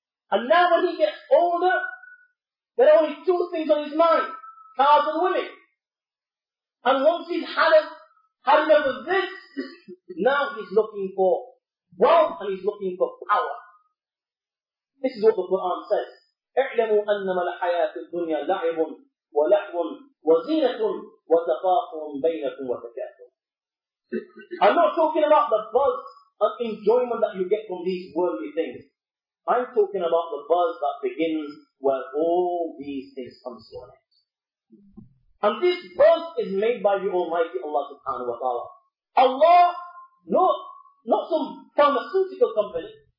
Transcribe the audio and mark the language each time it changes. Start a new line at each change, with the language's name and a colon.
English: And now when he gets older, there are only two things on his mind, cars and women. And once he's had enough of this, now he's looking for wealth and he's looking for power. This is what the Quran says.
Arabic: اعلموا أنما الحياة الدنيا لعب ولهو وزينة وتفاخر بينكم وتكاثر.
English: I'm not talking about the buzz of enjoyment that you get from these worldly things. I'm talking about the buzz that begins where all these things come to an end. And this buzz is made by the Almighty Allah subhanahu wa ta'ala. Allah, not some pharmaceutical company.